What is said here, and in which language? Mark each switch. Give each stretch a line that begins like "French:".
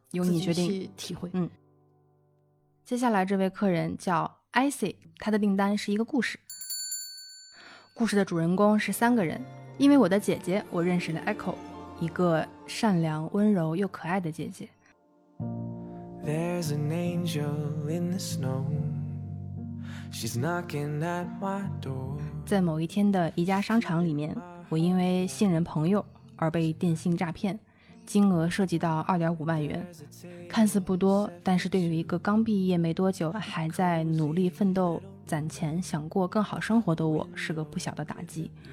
Chinese: 由你决定，自己去体会。嗯，接下来这位客人叫 Icy， 他的订单是一个故事。故事的主人公是3个人，因为我的姐姐，我认识了 Echo， 一个善良温柔又可爱的姐姐。
English: There's an angel in the snow. She's knocking at my door.
Chinese: 在某一天的一家商场里面，我因为信任朋友而被电信诈骗，金额涉及到2.5万元，看似不多，但是对于一个刚毕业没多久，还在努力奋斗攒钱想过更好生活的我，是个不小的打击。